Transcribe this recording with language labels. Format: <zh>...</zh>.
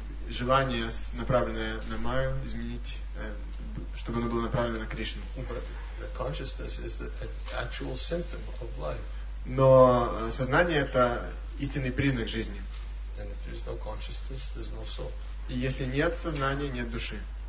<ru>Желание, направленное на Майю, изменить, чтобы оно было направлено на Кришну.</ru> <en>The consciousness is the actual symptom of life.</en> <ru>Но сознание – это истинный признак жизни.</ru> <en>And if there's no consciousness, there's no soul.</en> <ru>И если нет сознания, нет души.</ru>